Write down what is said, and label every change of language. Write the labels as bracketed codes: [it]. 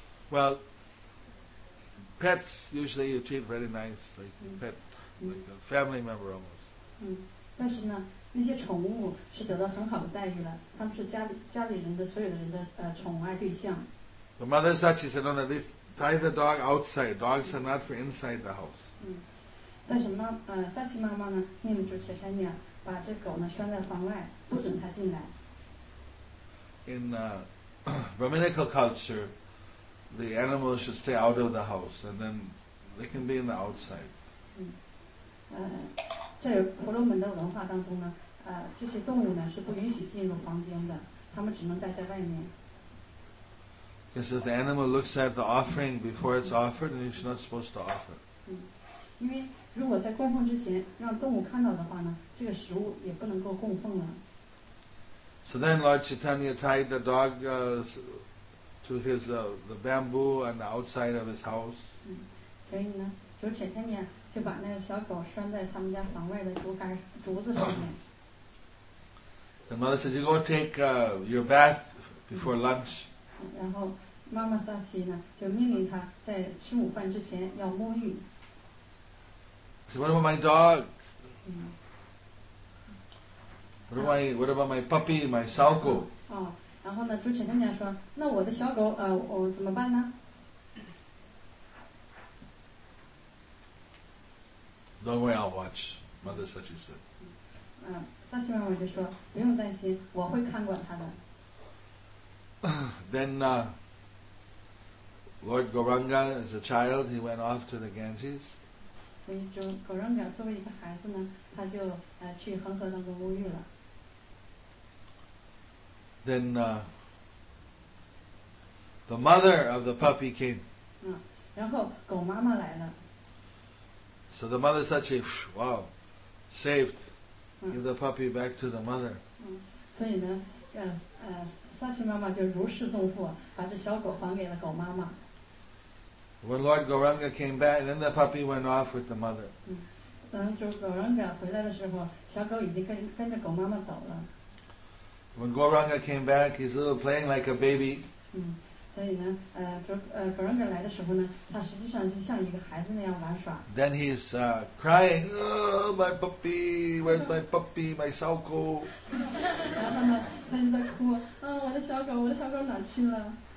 [en] Well, pets usually you treat very nice, like a pet, like a family member almost. [zh] 但是呢，那些宠物是得到很好的待遇了，他们是家里人的所有的人的宠爱对象。 [en] The mother said, she said, no, at least tie the dog outside. Dogs are not for inside the house. [zh] 但是妈，萨奇妈妈呢，命令住切山尼亚把这狗呢圈在房外，不准它进来。 [en] In Brahminical culture, the animals should stay out of the house, and then they can be in the outside. [zh] 在婆罗门的文化当中呢，这些动物呢是不允许进入房间的，它们只能待在外面。 [en] Because if the animal looks at the offering before it's offered, then it's not supposed to offer. [zh] 因为如果在供奉之前让动物看到的话呢，这个食物也不能够供奉了。 [en] So then Lord Chaitanya tied the dog to his the bamboo on the outside of his house. [zh] 所以呢，就前天呢，就把那个小狗拴在他们家房外的竹子上面。 [en] The mother said, "You go take your bath before lunch." [zh] 然后妈妈萨奇呢，就命令他在吃午饭之前要沐浴。 [en] She said, "What about my dog?" What about my puppy, my 小狗？ [zh] 哦，然后呢，朱启正讲说，那我的小狗，我怎么办呢 [en] ？Don't worry, I'll watch. Mother Sachi said. [zh] 萨奇妈妈就说，不用担心，我会看管他的。 [en] Then, Lord Gauranga, as a child, he went off to the Ganges. [zh] 所以，就 Gauranga 作为一个孩子呢，他就去恒河当中沐浴了。 [en] Then the mother of the puppy came. [zh] 然后狗妈妈来了。 [en] So the mother said, she, wow, saved. Give the puppy back to the mother. [zh] 所以呢，萨奇妈妈就如释重负，把这小狗还给了狗妈妈。 [en] When Lord Gauranga came back, then the puppy went off with the mother. [zh] 等就Gauranga回来的时候，小狗已经跟着狗妈妈走了。 [en] When Gauranga came back, he's a little playing like a baby. [zh] 所以呢，Gauranga 来的时候呢，他实际上是像一个孩子那样玩耍。 [en] Then he's crying, "Oh, my puppy! Where's my puppy? My 小狗!" [zh] 然后呢，他就在哭，我的小狗，我的小狗哪去了